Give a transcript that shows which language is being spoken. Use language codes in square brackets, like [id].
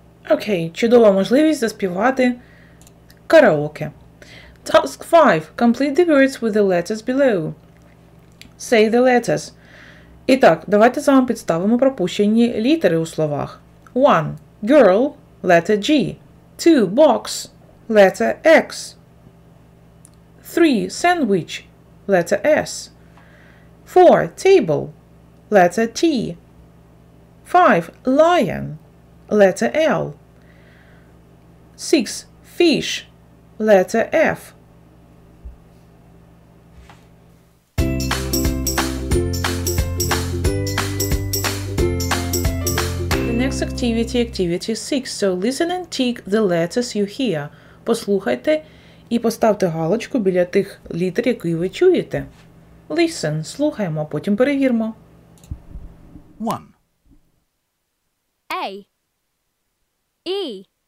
[uk] Окей, чудова можливість заспівати караоке. [en] Task 5. Complete the words with the letters below. Say the letters. [uk] І так, давайте з вами підставимо пропущені літери у словах. [en] 1. Girl, letter G. 2. Box, letter X. 3. Sandwich, letter S. 4. Table, letter T. 5. Lion, letter L. 6. Fish, letter F. Next activity, activity 6. So listen and tick the letters you hear. [uk] Послухайте і поставте галочку біля тих літер, які ви чуєте. Listen, слухаємо, а потім перевіримо. 1. [en] A. E.